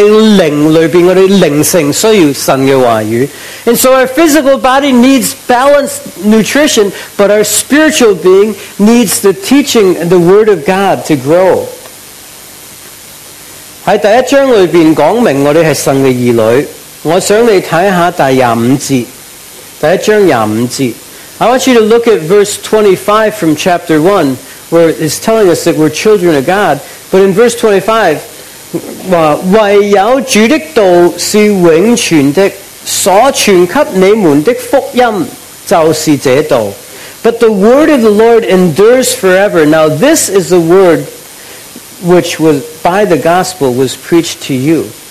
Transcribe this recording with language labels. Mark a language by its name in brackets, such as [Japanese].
[Chinese] 所以我们知道我们需要均衡食物，也都我们灵里面，我们灵性需要神的话语。 [English] And so our physical body needs balanced nutrition, but our spiritual being needs the teaching and the Word of God to grow. [Chinese] 在第一章里面讲明我们是神的儿女，我想你看一下第25节。第一章25节， [English] I want you to look at verse 25 from chapter 1, where it's telling us that we're children of God. But in verse 25, [Chinese] 唯有主的道是永存的。所传给你们的福音就是这道。 [English] But the word of the Lord endures forever. Now this is the word which was by the gospel was preached to you.